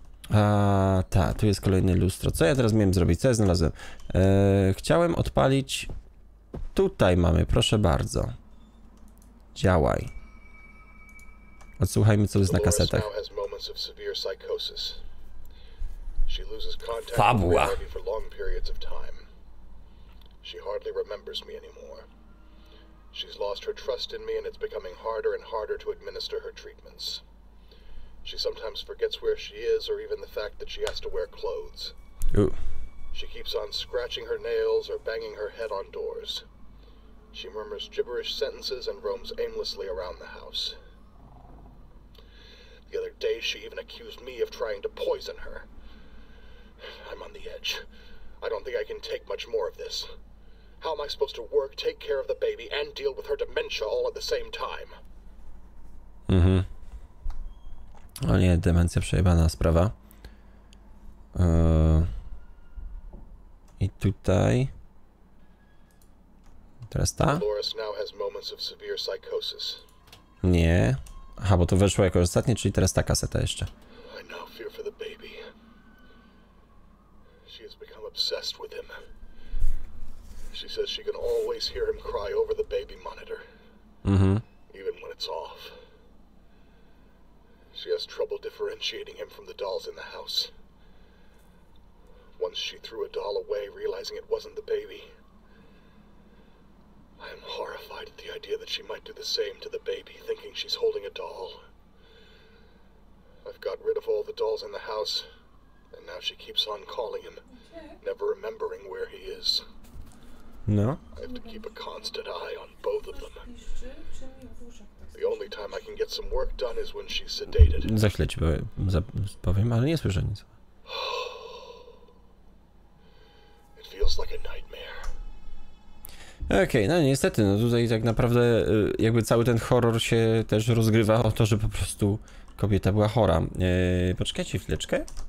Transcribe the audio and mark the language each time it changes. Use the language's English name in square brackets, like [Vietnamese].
[Polish] A ta, tu jest kolejne lustro. Co ja teraz miałem zrobić, co ja znalazłem? Chciałem odpalić... Tutaj mamy, proszę bardzo. Działaj. Odsłuchajmy, co jest na kasetach. [English] Of severe psychosis. She loses contact with me for long periods of time. She hardly remembers me anymore. She's lost her trust in me and it's becoming harder and harder to administer her treatments. She sometimes forgets where she is or even the fact that she has to wear clothes. Ooh. She keeps on scratching her nails or banging her head on doors. She murmurs gibberish sentences and roams aimlessly around the house. The other day, she even accused me of trying to poison her. I'm on the edge. I don't think I can take much more of this. How am I supposed to work, take care of the baby, and deal with her dementia all at the same time? Mhm. [Polish] O nie, demencja przejebana sprawa. I tutaj... Teraz ta? [English] Dolores now has moments of severe psychosis. [Polish] Nie. Aha, bo to weszło jako ostatnie, czyli teraz ta kaseta jeszcze. [English] I now fear for the baby. She has become obsessed with him. She says she can always hear him cry over the baby monitor. Mm-hmm. Even when it's off. She has trouble differentiating him from the dolls in the house. Once she threw a doll away, realizing it wasn't the baby. I am horrified at the idea that she might do the same to the baby, thinking she's holding a doll. I've got rid of all the dolls in the house, and now she keeps on calling him, never remembering where he is. No? I have to keep a constant eye on both of them. The only time I can get some work done is when she's sedated. [Polish] Za chwilę ci powiem, ale nie słyszę nic. [English] It feels like a nightmare. [Polish] Okej, no niestety, no tutaj tak naprawdę jakby cały ten horror się też rozgrywa o to, że po prostu kobieta była chora. Poczekajcie chwileczkę.